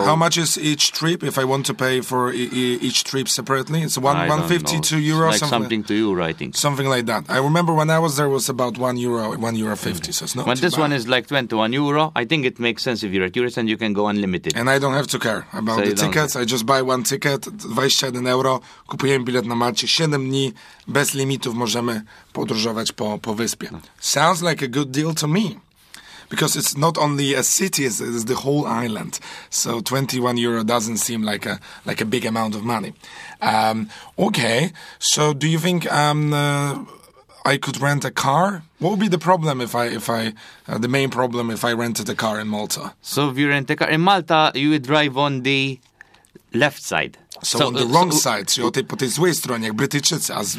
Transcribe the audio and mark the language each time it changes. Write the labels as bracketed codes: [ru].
[en] How much is each trip if I want to pay for each trip separately? It's 152 euro, like something to euro, I think. Something like that. I remember when I was there, it was about 1 euro 50. Okay. So it's not. But this bad. One is like 21 euro. I think it makes sense if you're a tourist and you can go unlimited. And I don't have to care about the tickets. I just buy one ticket, 21 euro. [pl] Kupujemy bilet na Malcie, 7 dni bez limitów możemy podróżować po wyspie. [en] Sounds like a good deal to me. Because it's not only a city, it's the whole island. So 21 euro doesn't seem like a big amount of money. Okay, so do you think I could rent a car? What would be the problem if I rented a car in Malta? So if you rent a car in Malta, you would drive on the left side. So on the wrong side, [pl] czyli po tej złej stronie, jak Brytyjczycy.